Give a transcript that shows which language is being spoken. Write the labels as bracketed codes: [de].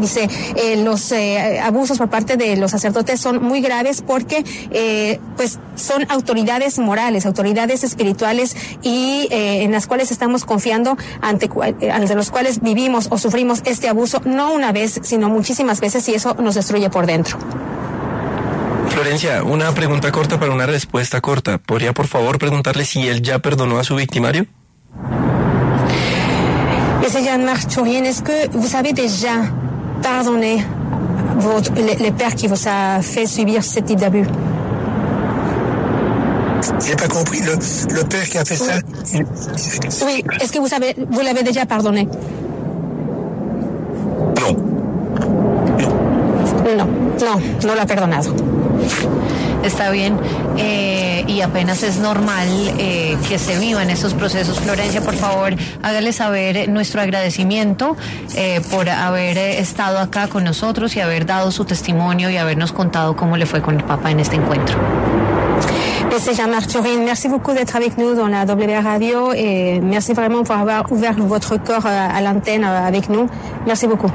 [es] Dice, los abusos por parte de los sacerdotes son muy graves porque, pues, son autoridades morales, autoridades espirituales, y en las cuales estamos confiando, ante los cuales vivimos o sufrimos este abuso, no una vez, sino muchísimas veces, y eso nos destruye por dentro. Florencia, una pregunta corta para una respuesta corta. ¿Podría, por favor, preguntarle si él ya perdonó a su victimario? [fr] Ese Jean-Marc Turien, ¿es que vous avez déjà pardonné le père qui vous a fait subir ce type d'abus? J'ai pas compris, le père qui a fait ça. Oui, est-ce que vous l'avez déjà pardonné? Non. [es] No lo ha perdonado. Está bien, y apenas es normal que se vivan esos procesos. Florencia, por favor, hágale saber nuestro agradecimiento por haber estado acá con nosotros y haber dado su testimonio y habernos contado cómo le fue con el Papa en este encuentro. [fr] Merci Jean-Marc Turin, merci beaucoup d'être avec nous dans la W Radio et merci vraiment pour avoir ouvert votre corps à l'antenne avec nous. Merci beaucoup.